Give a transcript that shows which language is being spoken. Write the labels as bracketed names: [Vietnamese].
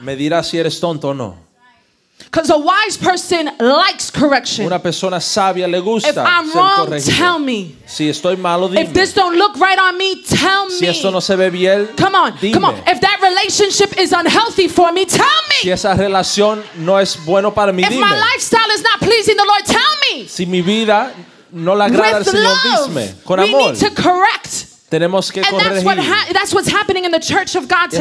[Spanish] Me dirá si eres tonto o no. [English] Because a wise person likes correction. [Spanish] Una persona sabia le gusta ser corregido. [English] If I'm wrong, tell me. [Spanish] Si estoy malo, dime. [English] If this don't look right on me, tell me. [Spanish] Si esto no se ve bien, [English] come on, [Spanish] dime. [English] Come on. If that relationship is unhealthy for me, tell me. [Spanish] Si esa relación no es bueno para mí, [English] if [Spanish] dime. [English] My lifestyle is not pleasing the Lord, tell me. [Spanish] Si mi vida no le agrada al Señor, dime. Con amor. [English] We need to correct. [Spanish] Tenemos que corregir. [English] And that's what's happening in the church of God today.